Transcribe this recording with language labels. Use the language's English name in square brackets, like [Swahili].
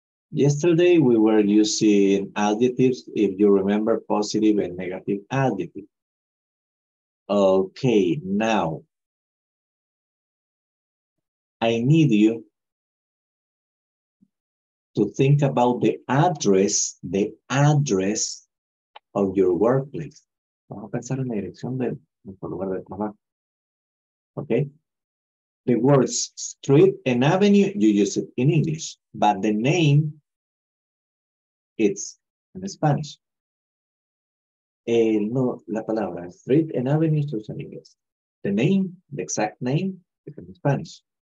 [English] Yesterday we were using adjectives, if you remember, positive and negative adjectives. Okay, now I need you to think about the address of your workplace. [Spanish] Vamos a pensar en la dirección de nuestro lugar de trabajo. [English] Okay? The words street and avenue, you use it in English, but the name, it's in Spanish. [Spanish] No, la palabra [English] street and avenue is in English. The name, the exact name, is in Spanish.